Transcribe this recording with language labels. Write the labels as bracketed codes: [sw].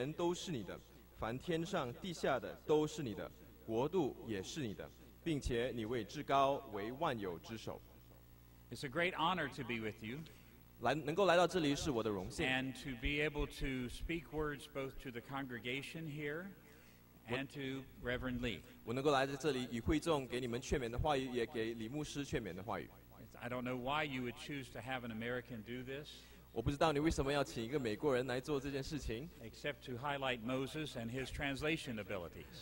[zh] 那我就在这里要读第十一节， [en] verse 11。 [zh] 历代志上第29章第十一节，耶和华啊，尊大能力荣耀强盛，威严都是你的，凡天上地下的都是你的。 [en] It's a great honor to be with you. [zh] 能够来到这里是我的荣幸。 [en] And to be able to speak words both to the congregation here and to Reverend Lee. [zh] 我能够来到这里与会众给你们劝勉的话语，也给李牧师劝勉的话语。 [en] I don't know why you would choose to have an American do this. [zh] 我不知道你为什么要请一个美国人来做这件事情。 [en] Except to highlight Moses and his translation abilities.